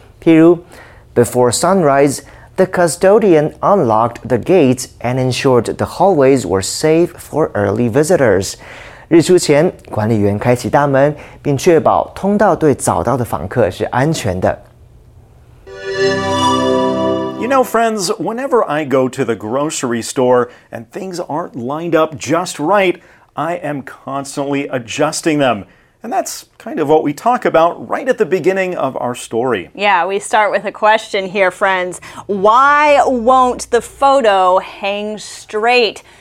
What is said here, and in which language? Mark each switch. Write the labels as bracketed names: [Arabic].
[Chinese] 譬如 [English] ，Before sunrise, the custodian unlocked the gates and ensured the hallways were safe for early visitors。 [Chinese] 日出前，管理员开启大门，并确保通道对早到的访客是安全的。 [English] You know, friends, whenever I go to the grocery store and things aren't lined up just right, I am constantly adjusting them. And that's kind of what we talk about right at the beginning of our story. Yeah, we start with a question here, friends. Why won't the photo hang straight?